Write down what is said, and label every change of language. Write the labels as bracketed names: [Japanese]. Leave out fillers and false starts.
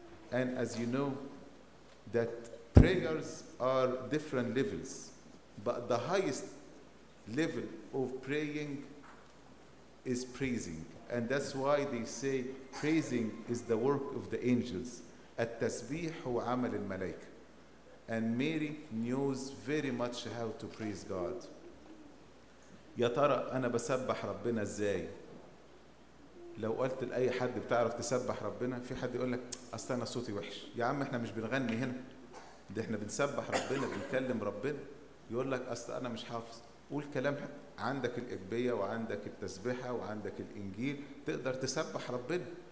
[English] And as you know, that prayers are different levels. But the highest level of praying is praising. And that's why they say praising is the work of the angels. [Arabic] التسبيح هو عمل الملائكة. [English] And Mary knows very much how to praise God. [Arabic] يا ترى أنا بسبح ربنا إزاي؟ لو قلت لأي حد بتعرف تسبح ربنا في حد يقول لك أصل أنا صوتي وحش. يا عم إحنا مش بنغني هنا. ده إحنا بنسبح ربنا بنكلم ربنا. يقول لك أصل أنا مش حافظ. قول كلام عندك الإجبية وعندك التسبيحة وعندك الإنجيل تقدر تسبح ربنا.